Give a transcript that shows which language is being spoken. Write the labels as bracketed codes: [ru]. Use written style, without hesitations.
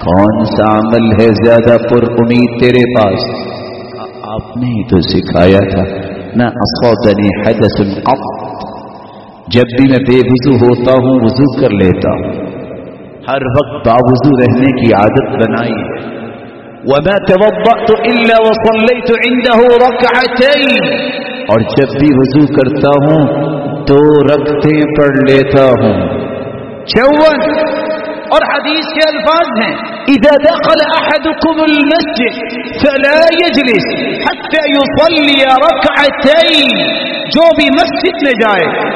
[ur] کون سا عمل ہے زیادہ پر امید تیرے پاس؟ آپ نے ہی تو سکھایا تھا [ar] ما اصابني حدث قط, [ur] جب بھی میں بے وضو ہوتا ہوں وضو کر لیتا ہوں, ہر وقت باوضو رہنے کی عادت بنائی ہے. [ar] وما توضأت إلا وصليت عنده ركعتين, [ur] اور جب بھی وضو کرتا ہوں دو رکعتیں پڑھ لیتا ہوں. چون اور حدیث کے الفاظ ہیں [ar] اذا دخل احدكم المسجد فلا يجلس حتى يصلي ركعتين, [ur] جو بھی مسجد میں جائے